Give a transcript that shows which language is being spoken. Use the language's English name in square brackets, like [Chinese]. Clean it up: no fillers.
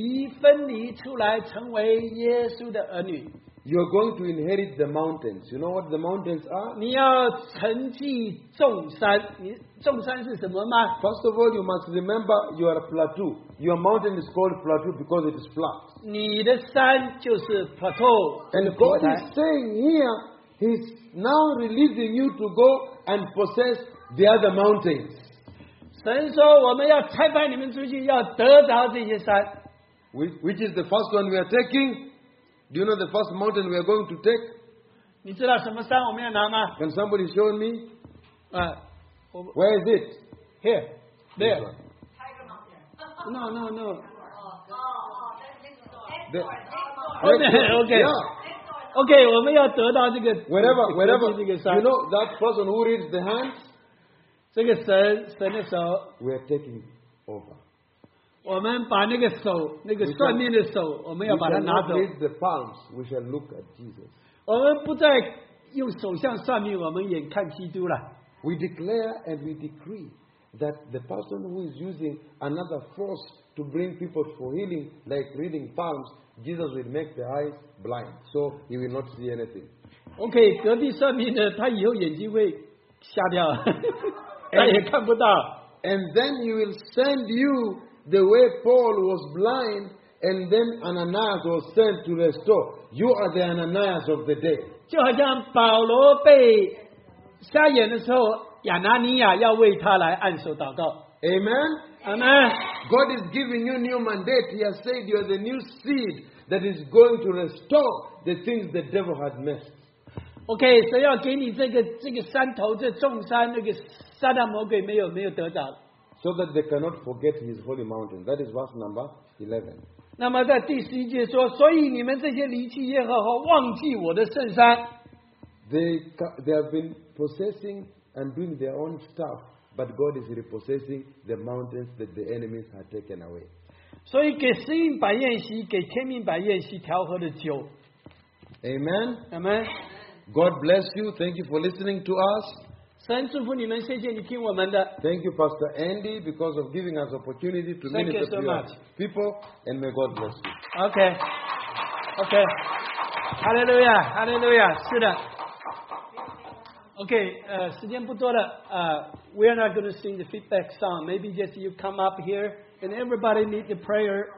[Chinese] 我们从我们的祖先中间被移分离出来, 成为耶稣的儿女。 [English] You're going to inherit the mountains. You know what the mountains are? [Chinese] 你要承继众山。你众山是什么吗? [English] First of all, you must remember you are a plateau. Your mountain is called plateau because it is flat. [Chinese] 你的山就是 plateau. [English] And God is saying here, He's now releasing you to go and possess the other mountains. [Chinese] 神说我们要拆派你们出去, 要得着这些山。 [English] Which is the first one we are taking? Do you know the first mountain we are going to take? [Chinese] 你知道什么山我们要拿吗? [English] Can somebody show me? Where is it? Here. There. Tiger Mountain. No, no, no. Oh, that's this door. Okay. Yeah. [Chinese] Okay, 我们要得到这个, [English] wherever, you know that person who reads the hands? [Chinese] 这个神, 神的手, [English] we are taking over. [Chinese] 我们把那个手, 那个算命的手, 我们要把它拿走。 [English] We shall not raise the palms, we shall look at Jesus. [Chinese] 我们不再用手向算命, 我们眼看基督了。 [English] We declare and we decree that the person who is using another force to bring people for healing, like reading palms, Jesus will make the eyes blind, so he will not see anything. [Chinese] Okay, 隔壁算命的, 他以后眼睛会瞎掉。他也看不到。 [English] And then he will send you the way Paul was blind, and then Ananias was sent to restore. You are the Ananias of the day. [Chinese] 就好像保罗被瞎眼的时候, 亚拿尼亚要为他来按手祷告。 [English] Amen? Amen. God is giving you new mandate. He has said you are the new seed that is going to restore the things the devil had missed. [Chinese] Okay, 神要给你这个山头, 这重山, [English] so that they cannot forget his holy mountain. That is verse number 11. [Chinese] 那么在第十一节说，所以你们这些离弃耶和华、忘记我的圣山。 [English] They have been possessing and doing their own stuff, but God is repossessing the mountains that the enemies had taken away. [Chinese] 所以给施恩摆宴席，给天命摆宴席，调和的酒。 [English] Amen. Amen. God bless you. Thank you for listening to us. [Chinese] 神祝福你们，谢谢你听我们的。 [English] Thank you, Pastor Andy, because of giving us opportunity to minister to you. Thank you so much. People, and may God bless you. Okay. Okay. Hallelujah. Hallelujah. [Chinese] 是的。 Okay, 时间不多了。 [English] We are not going to sing the feedback song. Maybe just you come up here, and everybody need the prayer.